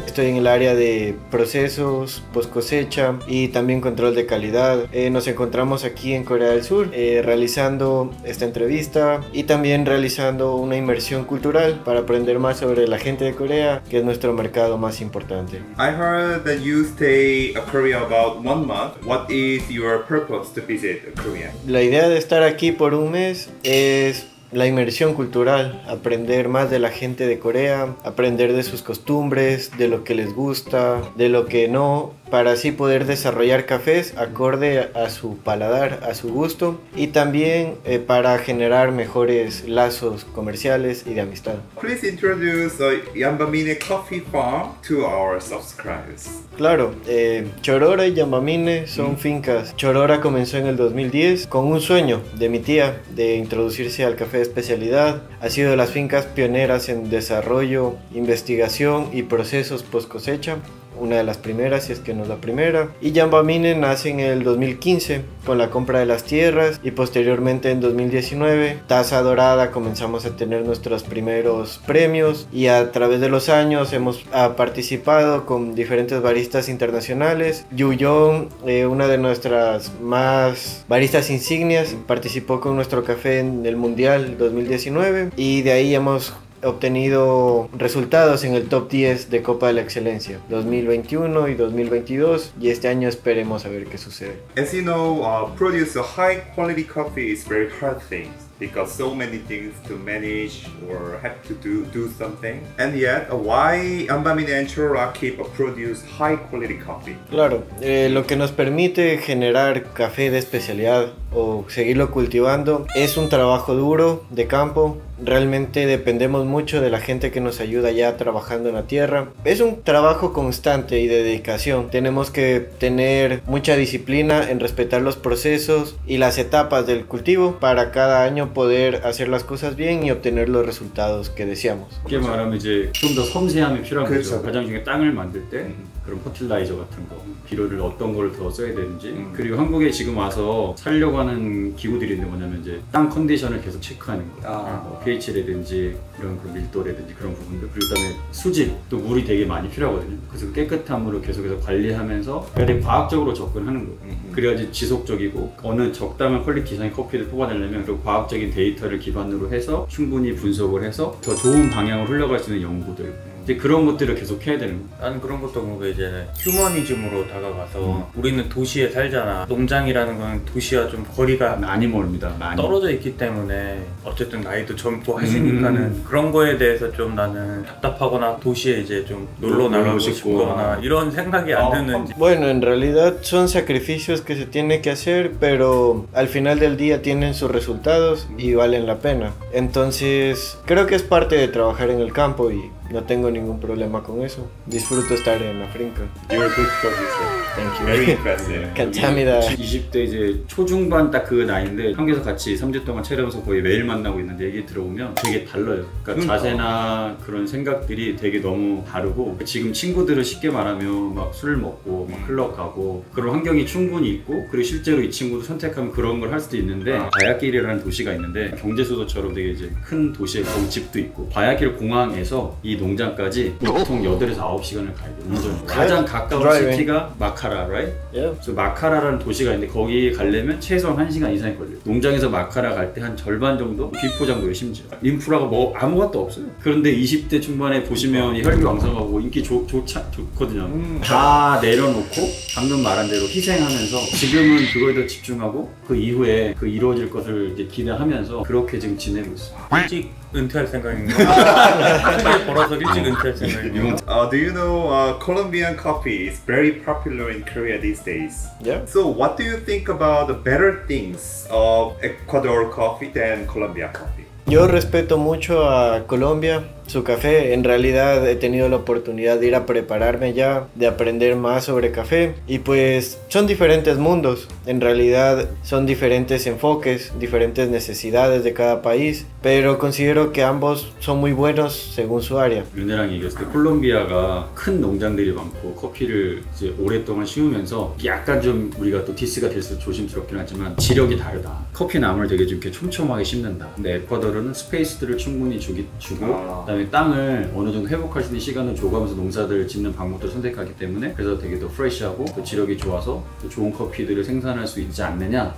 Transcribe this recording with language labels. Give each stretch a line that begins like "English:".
Spanish: Estoy en el área de procesos, post cosecha y también control de calidad. Nos encontramos aquí en Corea del Sur realizando esta entrevista y también realizando una inmersión cultural para aprender más sobre la gente de Corea, que es nuestro mercado más importante.
English: I heard that you stay in Korea about 1 month. What is your purpose to visit Korea?
Spanish: La idea de estar aquí por un mes es la inmersión cultural, aprender más de la gente de Corea, aprender de sus costumbres, de lo que les gusta, de lo que no, para así poder desarrollar cafés acorde a su paladar, a su gusto, y también para generar mejores lazos comerciales y de amistad.
English: Please introduce the Yambamine Coffee Farm to our subscribers.
Spanish: Claro, Chorora y Yambamine son fincas. Chorora comenzó en el 2010 con un sueño de mi tía de introducirse al café de especialidad. Ha sido de las fincas pioneras en desarrollo, investigación y procesos post cosecha. Una de las primeras, si es que no es la primera. Y Yambamine nace en el 2015 con la compra de las tierras y posteriormente en 2019, Taza Dorada, comenzamos a tener nuestros primeros premios y a través de los años hemos participado con diferentes baristas internacionales. Yu Yong, una de nuestras más baristas insignias, participó con nuestro café en el Mundial 2019 y de ahí hemos obtenido resultados en el top 10 de Copa de la Excelencia 2021 y 2022 y este año esperemos a ver qué sucede. As you know, produce a high quality coffee is very hard thing because so many things to manage or have to do something. And yet, why Yambamine and Chorora keep a produce high quality coffee? Claro, lo que nos permite generar café de especialidad o seguirlo cultivando es un trabajo duro de campo. Realmente dependemos mucho de la gente que nos ayuda ya trabajando en la tierra. Es un trabajo constante y de dedicación. Tenemos que tener mucha disciplina en respetar los procesos y las etapas del cultivo para cada año poder hacer las cosas bien y obtener los resultados que deseamos. ¿Qué más? Ahora, ¿qué más? ¿Qué más? ¿Qué más? ¿Qué más? ¿Qué más? ¿Qué más? ¿Qué más? ¿Qué más? ¿Qué más? ¿Qué más?
Korean: 그런 퍼틸라이저 같은 거, 비료를 어떤 걸 더 써야 되는지 그리고 한국에 지금 와서 살려고 하는 기구들이 있는데 뭐냐면 이제 땅 컨디션을 계속 체크하는 거 pH라든지 이런 그 밀도라든지 그런 부분들 그리고 그다음에 수질, 또 물이 되게 많이 필요하거든요. 그래서 깨끗함으로 계속해서 관리하면서 되게 과학적으로 접근하는 거 그래야지 지속적이고 어느 적당한 퀄리티상의 커피를 뽑아내려면 그리고 과학적인 데이터를 기반으로 해서 충분히 분석을 해서 더 좋은 방향으로 흘러갈 수 있는 연구들 이제 그런 것들을 계속 해야 되는 거. 난 그런 것도 뭔가 이제 휴머니즘으로 다가가서 우리는 도시에 살잖아. 농장이라는 건 도시와 좀 거리가 많이 멉니다. 많이 떨어져 있기 때문에 어쨌든 나이도 젊고 하시니까는 그런 거에 대해서 좀 나는 답답하거나 도시에 이제 좀 놀러 나가고 싶거나 이런 생각이 안 드는지.
Spanish: Bueno, en realidad son sacrificios que se tiene que hacer, pero al final del día tienen sus resultados y valen la pena. Entonces, creo que es parte de trabajar en el campo y no tengo ningún problema con eso. Disfruto estar en la finca.
English: You're a good coffee, sir. Thank you. Very impressive.
Korean: 감사합니다. 20대 이제 초중반 딱 그 나이인데 한국에서 같이 3주 동안 촬영해서 거의 매일 만나고 있는데 얘기 들어보면 되게 달라요. 그러니까 자세나 그런 생각들이 되게 너무 다르고 지금 친구들은 쉽게 말하면 막 술 먹고 막 클럽 가고 그런 환경이 충분히 있고 그리고 실제로 이 친구도 선택하면 그런 걸 할 수도 있는데 바야길이라는 도시가 있는데 경제수도처럼 되게 이제 큰 도시에 집도 있고 바야길 공항에서 이 농장까지 보통 8에서 9시간을 가야 돼요. 운전. 가장 가까운 시티가 막
English: 마카라, right? Yep.
Korean: 그 마카라라는 도시가 있는데 거기 가려면 최소한 1시간 이상이 걸려요. 농장에서 마카라 갈 때 한 절반 정도? 비포 정도예요, 심지어. 인프라가 뭐 아무것도 없어요. 그런데 20대 중반에 보시면 혈기왕성하고 인기 좋거든요. 다 내려놓고 방금 말한 대로 희생하면서 지금은 그거에 더 집중하고 그 이후에 그 이루어질 것을 이제 기대하면서 그렇게 지금 지내고 있어요. 일찍 은퇴할 생각인가요? 크게 벌어서 일찍 은퇴할 생각인가요?
English: Do you know Colombian coffee is very popular in Korea these days? Yeah. So what do you think about the better things of Ecuador coffee than Colombia coffee?
Spanish: Yo respeto mucho a Colombia, su café. En realidad he tenido la oportunidad de ir a prepararme ya, de aprender más sobre café. Y pues son diferentes mundos. En realidad son diferentes enfoques, diferentes necesidades de cada país. Pero considero que ambos son muy buenos según su área.
Korean: 윤혜랑 얘기했을 때 콜롬비아가 큰 농장들이 많고 커피를 이제 오랫동안 심으면서 약간 좀 우리가 또 디스가 됐을 때 조심스럽긴 하지만 지력이 다르다. 커피나무를 되게 좀 이렇게 촘촘하게 심는다. 근데 에콰도르는 스페이스들을 충분히 주고 그 다음에 땅을 어느 정도 회복할 수 있는 시간을 줘가면서 농사들을 짓는 방법도 선택하기 때문에 그래서 되게 더 프레쉬하고 또 지력이 좋아서 또 좋은 커피들을 생산할 수 있지 않느냐.